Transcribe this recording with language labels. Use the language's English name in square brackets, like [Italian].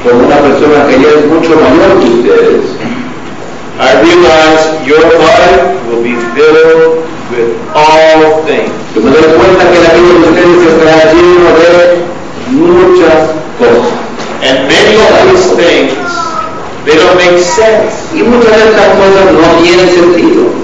[Spanish] Como una persona que ya es mucho mayor que ustedes. [English] I realize your life will be filled with all things. [Spanish] Yo me doy cuenta que la vida de ustedes estará llena de muchas cosas. [English] And many of these things, they don't make sense. [Spanish] Y muchas de estas cosas no tienen sentido.